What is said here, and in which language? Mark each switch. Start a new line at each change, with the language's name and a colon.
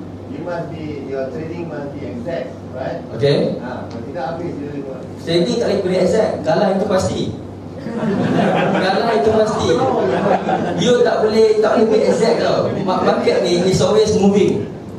English: You must be your trading must be exact, right? Okay.
Malay: Tidak habis dia lima. Trading tak boleh exact. Kalah itu pasti. Kalah itu pasti. You tak boleh be exact tau.
English: Market ni is always moving.